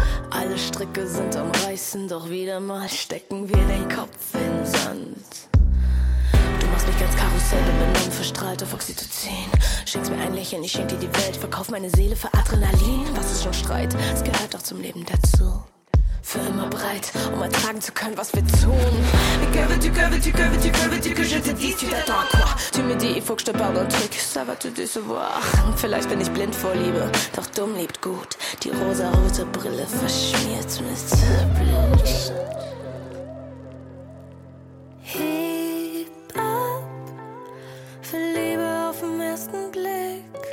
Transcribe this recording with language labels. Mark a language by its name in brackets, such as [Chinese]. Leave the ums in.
[German] Alle Stricke sind am Reißen, doch wieder mal stecken wir den Kopf in den Sand. Du machst mich ganz Karussell benommen, verstrahlt auf Oxytocin. Schenkst mir ein Lächeln, ich schenk dir die Welt, verkauf meine Seele für Adrenalin. Was ist schon Streit? Es gehört doch zum Leben dazu. Für immer bereit, um ertragen zu können, was wir tun. [French] Mais que veux-tu, que veux-tu, que veux-tu, que veux-tu que je te dise? Tu t'attends à quoi? Tu me Comédie, il faut que je te parle d'un truc, ça va te décevoir. [German] Vielleicht bin ich blind vor Liebe, doch dumm liebt gut. Die rosarote Brille verschmiert mit Blut. Heb ab für Liebe auf den ersten Blick.